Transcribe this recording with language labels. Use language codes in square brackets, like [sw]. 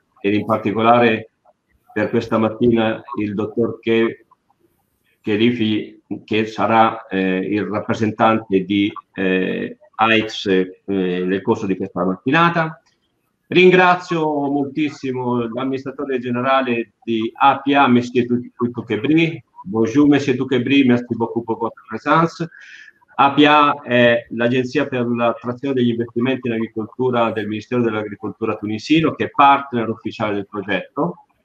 [it] Ed in particolare per questa mattina il dottor Khelifi, che sarà il rappresentante di AIX nel corso di questa mattinata. Ringrazio moltissimo l'amministratore generale di APA, Monsieur Tuquebri. [fr] Bonjour, Monsieur Tuquebri, merci beaucoup pour votre présence. [it] APA è l'Agenzia per l'attrazione degli investimenti in agricoltura del Ministero dell'Agricoltura tunisino, che è partner ufficiale del progetto.